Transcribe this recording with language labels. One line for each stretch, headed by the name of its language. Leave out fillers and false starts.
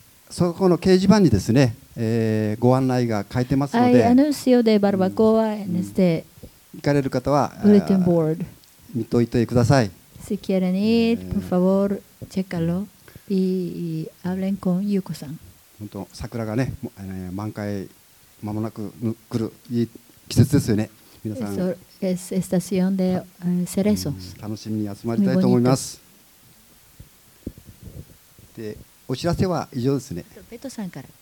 Japanese: そこの掲示板にですね、ご案内が書いてますので。
Spanish: Hay anuncio de barbacoa en este.
Japanese: 行かれる方は、
English: bulletin board.
Japanese: 見といてください。
Spanish: Si quieren ir, por favor, checkalo y hablen con Yuko-san.
Japanese: 本当、桜がね、満開間もなく来るいい季節ですよね。皆さん。
Spanish: Es estación de cerezos.
Japanese: 楽しみに集まりたいと思います。で、お知らせは以上ですね。ベトさんから。